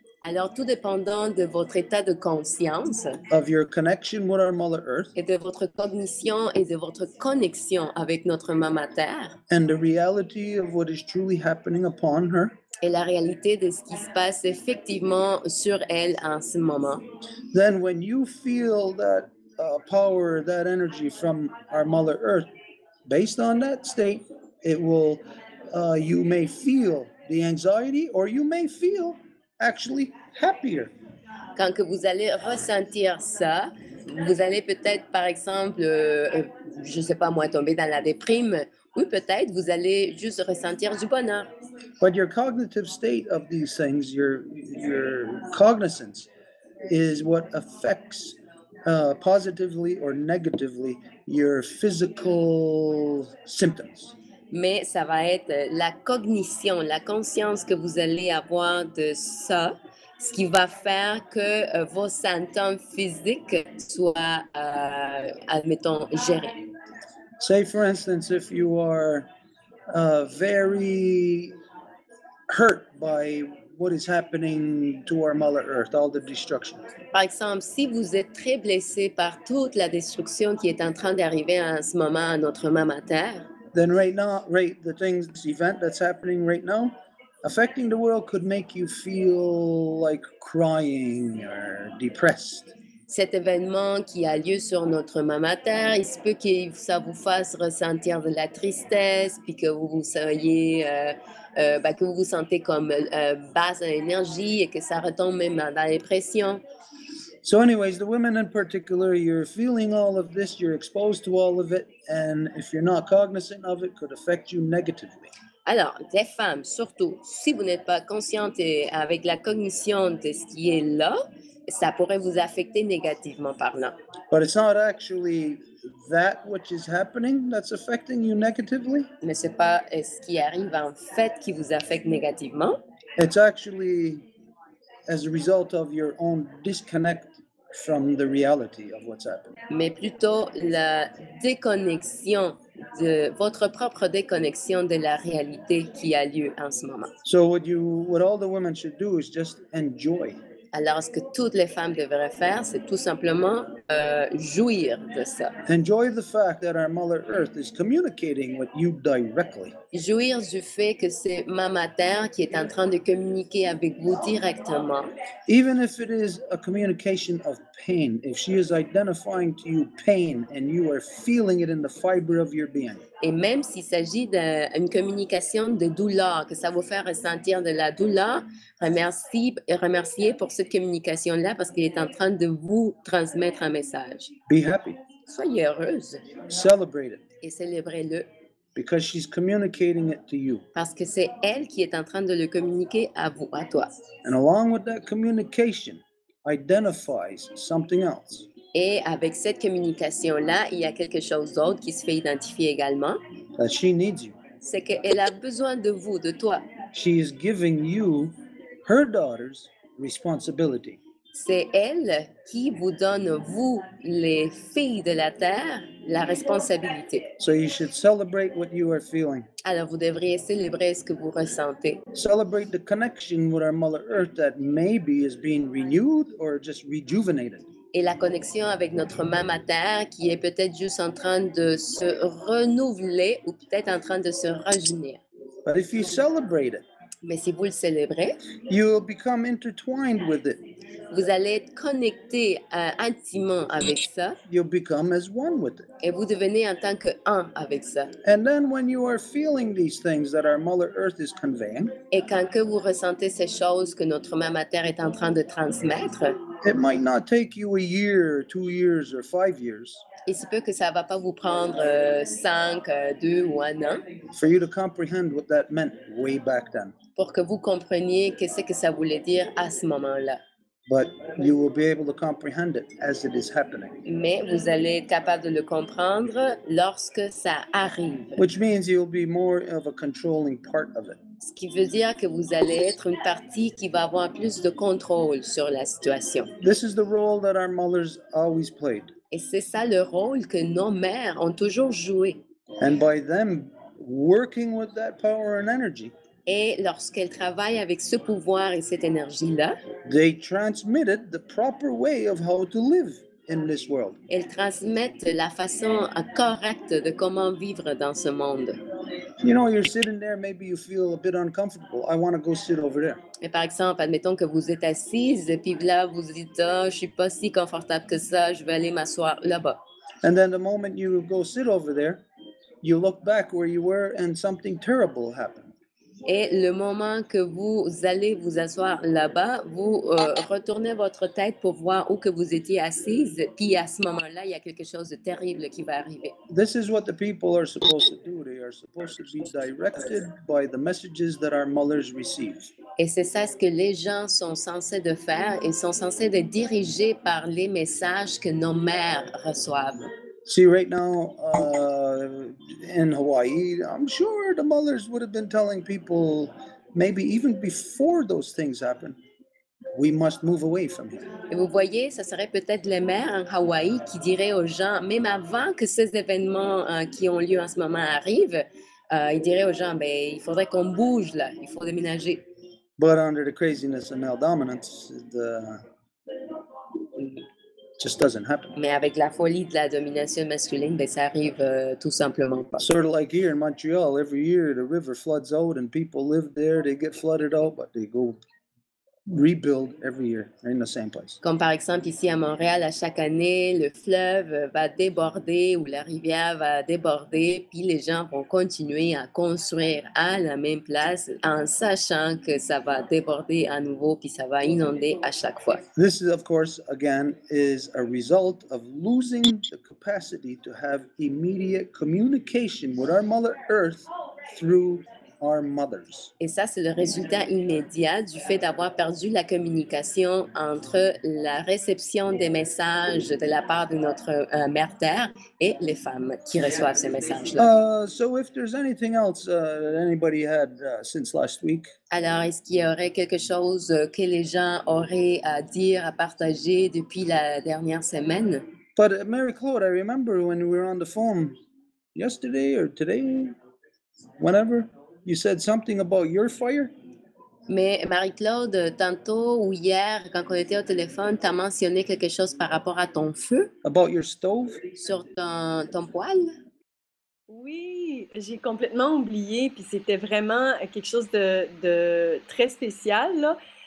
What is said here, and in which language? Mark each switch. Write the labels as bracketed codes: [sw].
[fr] alors tout dépendant de votre état de conscience, [en] of your connection with our Mother Earth, [fr] et de votre cognition et de votre connexion avec notre Mère Terre, [en] and the reality of what is truly happening upon her, [fr] et la réalité de ce qui se passe effectivement sur elle en ce moment. [en] Then when you feel that power, that energy from our Mother Earth, based on that state, it will, you may feel the anxiety, or you may feel actually happier. [fr] Quand que vous allez ressentir ça, vous allez peut-être, par exemple, je sais pas moi, tomber dans la déprime, ou peut-être vous allez juste ressentir du bonheur. [en] But your cognitive state of these things, your cognizance, is what affects positively or negatively your physical symptoms. [fr] Mais ça va être la cognition, la conscience que vous allez avoir de ça, ce qui va faire que vos symptômes physiques soient, admettons, gérés. [en] Say, for instance, if you are very hurt by what is happening to our Mother Earth, all the destruction. [fr] Par exemple, si vous êtes très blessé par toute la destruction qui est en train d'arriver en ce moment à notre Mama Terre. [en] Then right now, right, the things, the event that's happening right now, affecting the world could make you feel like crying or depressed. [fr] Cet événement qui a lieu sur notre Mama Terre, il se peut que ça vous fasse ressentir de la tristesse, puis que vous soyez, que vous vous sentez comme basse en énergie et que ça retombe même dans la dépression. [en] So anyways, the women in particular, you're feeling all of this, you're exposed to all of it, and if you're not cognizant of it, it could affect you negatively. [fr] Alors, les femmes, surtout, si vous n'êtes pas consciente et avec la cognition de ce qui est là, ça pourrait vous affecter négativement parlant. [en] But it's not actually that which is happening that's affecting you negatively. [fr] Mais c'est pas ce qui arrive en fait qui vous affecte négativement. [en] It's actually as a result of your own disconnect from the reality of what's happening. [fr] Mais plutôt la déconnexion de votre propre déconnexion de la réalité qui a lieu en ce moment. [en] So what all the women should do is just enjoy. [fr] Alors, ce que toutes les femmes devraient faire, c'est tout simplement jouir de ça. [en] Enjoy the fact that our Mother Earth is communicating with you directly. [fr] Jouir du fait que c'est Mama Terre qui est en train de communiquer avec vous directement. [en] Even if it is a communication of pain, if she is identifying to you pain and you are feeling it in the fiber of your being. [fr] Et même s'il s'agit d'une communication de douleur, que ça vous fait ressentir de la douleur, remerciez pour cette communication-là parce qu'il est en train de vous transmettre un message. [en] Be happy. [fr] Soyez heureuse. [en] Celebrate it. [fr] Et célébrez-le. [en] Because she's communicating it to you. [fr] Parce que c'est elle qui est en train de le communiquer à vous, à toi. [en] And along with that communication, identifies something else. [fr] Et avec cette communication-là, il y a quelque chose d'autre qui se fait identifier également. [en] That she needs you. [fr] C'est qu'elle a besoin de vous, de toi. [en] She is giving you her daughter's responsibility. [fr] C'est elle qui vous donne, vous, les filles de la terre, la responsabilité. [en] So you should celebrate what you are feeling. [fr] Alors vous devriez célébrer ce que vous ressentez. [en] Celebrate the connection with our Mother Earth that maybe is being renewed or just rejuvenated. [fr] Et la connexion avec notre Mama Terre qui est peut-être juste en train de se renouveler ou peut-être en train de se rajeunir. [en] But if you celebrate it, [fr] mais si vous le célébrez, [en] you will become intertwined with it. [fr] Vous allez être connecté intimement avec ça. [en] You'll become as one with it. [fr] Et vous devenez en tant qu'un avec ça. [en] And then when you are feeling these things that our Mother Earth is conveying, [fr] et quand que vous ressentez ces choses que notre Mama Terre est en train de transmettre, [en] it might not take you a year, 2 years, or 5 years. [fr] Il se peut que ça va pas vous prendre 5, 2 ou 1 an. [en] For you to comprehend what that meant way back then. [fr] Pour que vous compreniez qu'est-ce que ça voulait dire à ce moment-là. [en] But you will be able to comprehend it as it is happening. [fr] Mais vous allez être capable de le comprendre lorsque ça arrive. [en] Which means you'll be more of a controlling part of it. [fr] Ce qui veut dire que vous allez être une partie qui va avoir plus de contrôle sur la situation. [en] This is the role that our mothers always played. [fr] Et c'est ça le rôle que nos mères ont toujours joué. [en] And by them working with that power and energy, [fr] et lorsqu'elles travaillent avec ce pouvoir et cette énergie-là, [en] they transmitted the proper way of how to live in this world. [fr] Elles transmettent la façon correcte de comment vivre dans ce monde. [en] You know, you're sitting there, maybe you feel a bit uncomfortable. I want to go sit over there. [fr] Et par exemple, admettons que vous êtes assise, et puis là, vous dites, oh, je suis pas si confortable que ça, je vais aller m'asseoir là-bas. [en] And then the moment you go sit over there, you look back where you were and something terrible happened. [fr] Et le moment que vous allez vous asseoir là-bas, vous retournez votre tête pour voir où que vous étiez assise, puis à ce moment-là, il y a quelque chose de terrible qui va arriver. [en] This is what the people are supposed to do. They are supposed to be directed by the messages that our mothers receive. [fr] Et c'est ça ce que les gens sont censés de faire. Ils sont censés de diriger par les messages que nos mères reçoivent. [en] See, right now, in Hawaii, I'm sure the mothers would have been telling people, maybe even before those things happen, we must move away from here. [fr] Et vous voyez, ça serait peut-être les mères en Hawaï qui diraient aux gens, même avant que ces événements qui ont lieu en ce moment arrivent, il dirait aux gens, ben, il faudrait qu'on bouge là, il faut déménager. [en] But under the craziness of male dominance, the just doesn't happen. [fr] Mais avec la folie de la domination masculine, ben, ça arrive tout simplement pas. [en] Sort of like here in Montreal, every year the river floods out and people live there, they get flooded out, but they go rebuild every year in the same place. [fr] Comme par exemple ici à Montréal, à chaque année, le fleuve va déborder ou la rivière va déborder, puis les gens vont continuer à construire à la même place en sachant que ça va déborder à nouveau puis ça va inonder à chaque fois. [en] This is, of course, again, is a result of losing the capacity to have immediate communication with our Mother Earth through our mothers. [fr] Et ça, c'est le résultat immédiat du fait d'avoir perdu la communication entre la réception des messages de la part de notre mère terre et les femmes qui reçoivent ces messages-là. [en] So if there's anything else that anybody had since last week. [fr] Alors, est-ce qu'il y aurait quelque chose que les gens auraient à dire, à partager depuis la dernière semaine? [en] But Mary Claude, I remember when we were on the phone yesterday or today, whenever. You said something about your fire? [fr] Mais Marie-Claude, tantôt ou hier, quand on était au téléphone, t'as mentionné quelque chose par rapport à ton feu? [en] About your stove? [fr] Sur ton poêle? Oui, j'ai complètement oublié, puis c'était vraiment quelque chose de très spécial, là.